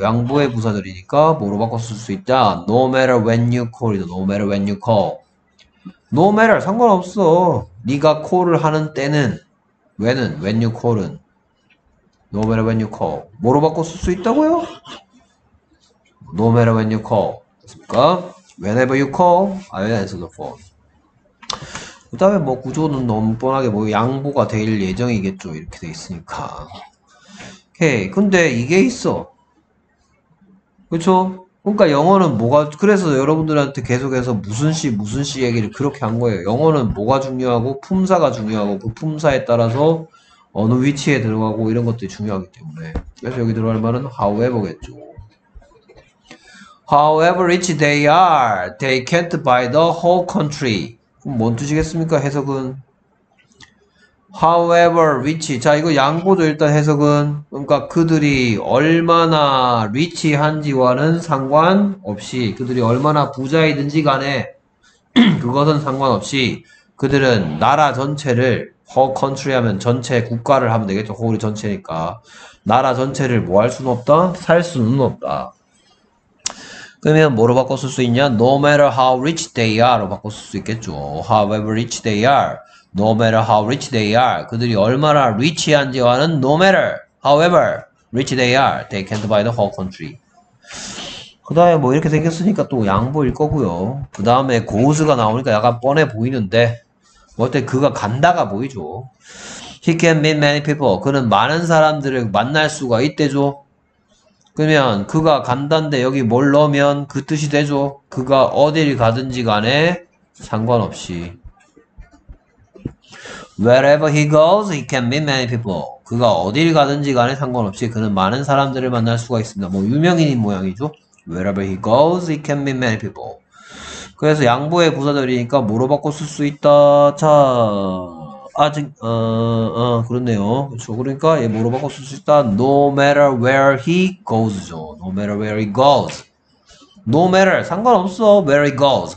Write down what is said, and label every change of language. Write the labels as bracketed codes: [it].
[ko] 양보의 부사절이니까 뭐로 바꿔 쓸수 있다? [en] No matter when you call이다. No matter when you call. No matter, [ko] 상관없어. 네가 콜을 하는 때는, [en] when은, when you call은. No matter when you call. [ko] 뭐로 바꿔 쓸수 있다고요? [en] No matter when you call. [ko] 맞습니까? [en] Whenever you call, I will answer the phone. [ko] 그 다음에 뭐 구조는 너무 뻔하게 뭐 양보가 될 예정이겠죠. 이렇게 돼 있으니까. 오케이. 근데 이게 있어. 그쵸? 그러니까 영어는 뭐가, 그래서 여러분들한테 계속해서 무슨 씨 얘기를 그렇게 한 거예요. 영어는 뭐가 중요하고 품사가 중요하고 그 품사에 따라서 어느 위치에 들어가고 이런 것들이 중요하기 때문에. 그래서 여기 들어갈 말은 however겠죠. [en] However rich they are, they can't buy the whole country. [ko] 그럼 뭔 뜻이겠습니까, 해석은? [en] However rich. [ko] 자, 이거 양보도 일단 해석은. 그러니까 그들이 얼마나 리치한지와는 상관없이, 그들이 얼마나 부자이든지 간에, 그것은 상관없이, 그들은 나라 전체를 [en] whole country [ko] 하면 전체 국가를 하면 되겠죠. 우리 전체니까. 나라 전체를 뭐할 수는 없다? 살 수는 없다. 그러면 뭐로 바꿔 쓸수 있냐? [en] No matter how rich they are로 [ko] 바꿔 쓸수 있겠죠. [en] However rich they are. No matter how rich they are. [ko] 그들이 얼마나 리치한지와는 [en] no matter, however rich they are, they can't buy the whole country. [ko] 그 다음에 뭐 이렇게 생겼으니까 또 양보일 거고요. 그 다음에 goes가 나오니까 약간 뻔해 보이는데. 어때, 그가 간다가 보이죠? [en] He can meet many people. [ko] 그는 많은 사람들을 만날 수가 있대죠? 그러면, 그가 간다는데 여기 뭘 넣으면 그 뜻이 되죠? 그가 어딜 가든지 간에 상관없이. [en] Wherever he goes, he can meet many people. [ko] 그가 어딜 가든지 간에 상관없이 그는 많은 사람들을 만날 수가 있습니다. 뭐, 유명인인 모양이죠? [en] Wherever he goes, he can meet many people. [ko] 그래서 양보의 부사절이니까 뭐로 바꿔 쓸수 있다. 자, 아직 그렇네요. 그러니까 얘 뭐로 바꿔 쓸수 있다. [en] No matter where he goes죠. No matter where he goes. No matter [ko] 상관없어. [en] Where he goes.